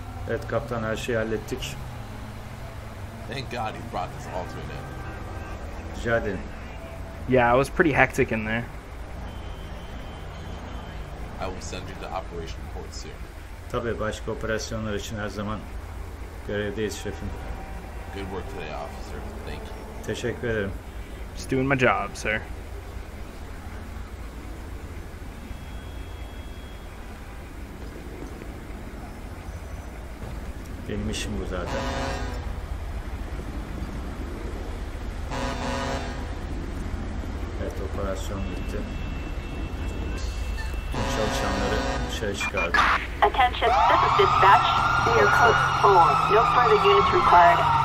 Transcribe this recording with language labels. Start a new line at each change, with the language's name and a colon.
Turkish: Evet kaptan, her şeyi hallettik.
English: Thank God he brought this all to an end.
Turkish: Rica ederim.
English: Yeah, it was pretty hectic in there. I will send you the operation report soon.
Turkish: Tabii, başka operasyonlar için her zaman görevdeyiz şefim.
English: Good work today, officer. Thank you.
Turkish: Teşekkür ederim.
English: Just doing my job, sir.
Turkish: Benim işim bu zaten. Evet, operasyon bitti. Tüm çalışanları dışarı çıkardım.
English: Attention, this is dispatch. We are code 4. No further units required.